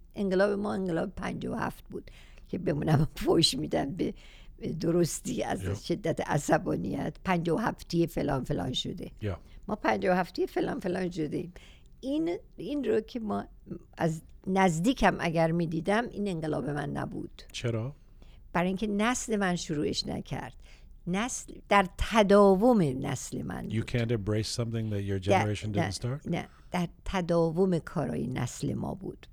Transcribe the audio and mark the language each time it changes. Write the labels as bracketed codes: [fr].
[fa] انقلاب ما انقلاب 57 بود که بمونم فوش میدم به درستی از شدت عصبانیت 57 فلان فلان شده. ما 57 فلان فلان شدیم. این رو که ما از نزدیکم اگر می دیدم، این انقلاب من نبود. چرا؟ برای اینکه نسل من شروعش نکرد. نسل در تداوم نسل من بود. [en] You can't embrace something that your generation didn't start. [fa] نه، در تداوم کارای نسل ما بود.